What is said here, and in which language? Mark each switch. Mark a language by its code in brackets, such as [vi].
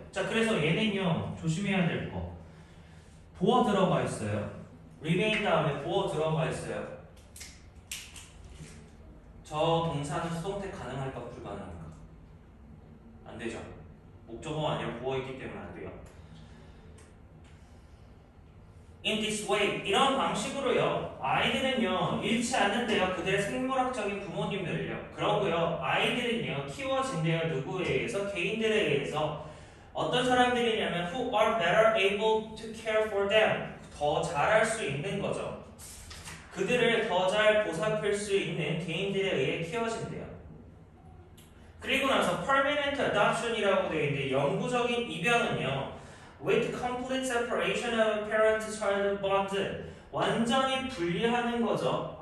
[ko] 자, 그래서 얘는요 조심해야 될 거. 보아 들어가 있어요. remain 다음에 for 들어가 있어요. 저 동사는 수동태 가능할까 불가능할까? 안 되죠. 목적어가 아니라 for 있기 때문에 안 돼요. [en] In this way, [ko] 이런 방식으로요. 아이들은요, 잃지 않는데요. 그들의 생물학적인 부모님들을요. 그러고요. 아이들은요, 키워진대요. 누구에 의해서? 개인들에 의해서. 어떤 사람들이냐면, [en] who are better able to care for them. [ko] 더 잘할 수 있는 거죠. 그들을 더 잘 보살필 수 있는 개인들에 의해 키워진대요. 그리고 나서 permanent adoption이라고 되어 있는데 영구적인 입양은요 [en] with complete separation of parent-child bond [ko] 완전히 분리하는 거죠.